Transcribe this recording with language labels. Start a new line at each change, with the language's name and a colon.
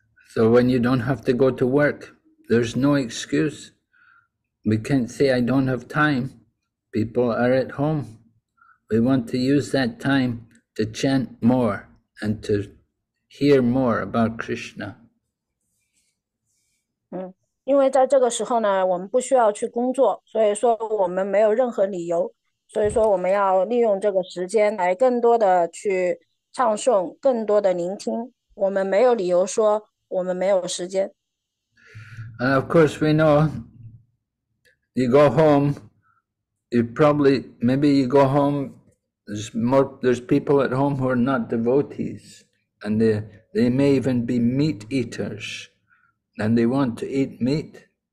English: So when you don't have to go to work, there's no excuse. We can't say I don't have time. People are at home. We want to use that time to chant more and to hear more about Krishna.
Chinese: 因为在这个时候呢，我们不需要去工作，所以说我们没有任何理由。所以说我们要利用这个时间来更多的去唱诵，更多的聆听。我们没有理由说我们没有时间。
English: And of course, we know you go home. You probably, maybe you go home. There's people at home who are not devotees, and they may even be meat eaters, and they want to eat meat.